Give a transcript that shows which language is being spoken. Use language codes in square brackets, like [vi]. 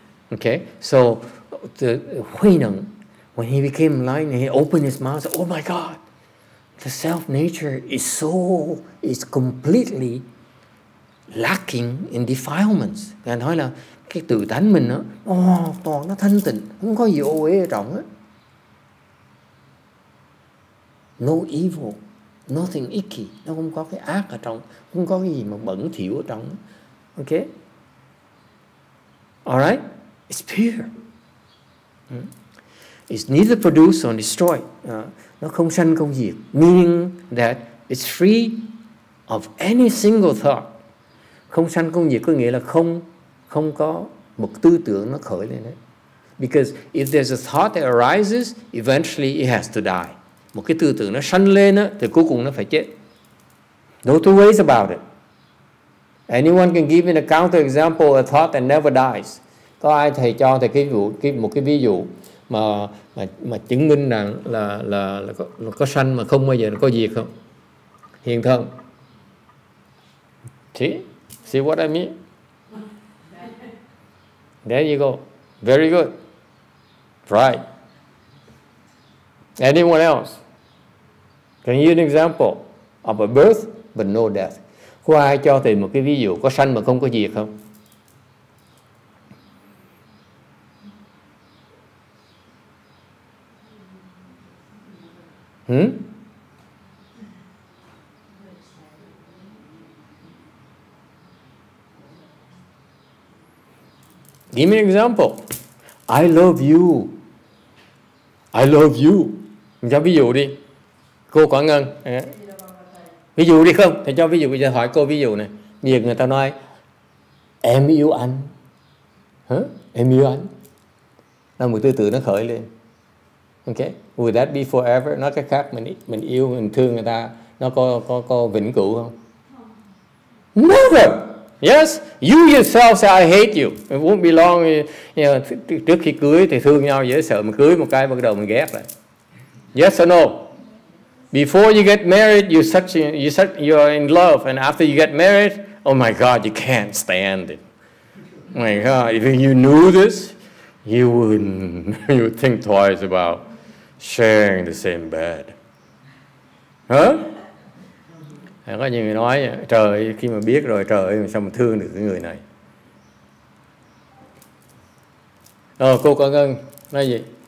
[en] Okay, so the HuiNeng, when he became enlightened, he opened his mouth and said, oh my God, the self nature is completely lacking in defilements. [vi] Ngài nói là cái tự tánh mình đó, toàn nó thanh tịnh, không có gì ô uế trọng á. [en] No evil, nothing icky, [vi] nó không có cái ác ở trong, không có cái gì mà bẩn thỉu ở trong. [en] Okay? Alright? It's pure. It's neither produced nor destroyed. [vi] Nó không sanh không diệt. [en] Meaning that it's free of any single thought. [vi] Không sanh không diệt có nghĩa là không có một tư tưởng nó khởi lên đấy. [en] Because if there's a thought that arises, eventually it has to die. [vi] Một cái tư tưởng nó sanh lên đó, thì cuối cùng nó phải chết. [en] No two ways about it. Anyone can give me a counter example of a thought that never dies. [vi] Có ai thầy cho thầy một cái ví dụ mà chứng minh rằng là có sanh mà không bao giờ có diệt không? Hiện thân. [en] See what I mean? There you go. Very good. Right. Anyone else? Can you give an example of a birth but no death? [vi] Có ai cho thầy một cái ví dụ có sanh mà không có diệt không? Hmm? [en] Give me an example. I love you. [vi] I love you. Mình cho ví dụ đi. Cô Quảng Ngân. Ví dụ đi không? Thầy cho ví dụ. Bây giờ hỏi cô ví dụ này. Nhiều người ta nói em yêu anh. Hả? Em yêu anh. Là một tư tưởng nó khởi lên. Ok. [en] Would that be forever? [vi] Nói cách khác, mình yêu, mình thương người ta, nó có vĩnh cửu không? Never. [en] Yes, you yourself say I hate you. It won't be long. [vi] You know, trước khi cưới thì thương nhau dễ sợ, mà cưới một cái bắt đầu mình ghét rồi. [en] Yes or no? Before you get married, you're in love, and after you get married, oh my God, you can't stand it. My God, if you knew this, you would think twice about sharing the same bed. Hả? Huh? [vi] Có nhiều người nói, trời ơi, khi mà biết rồi, trời ơi, sao mà thương được cái người này. Rồi, cô Quảng Ngân, nói gì?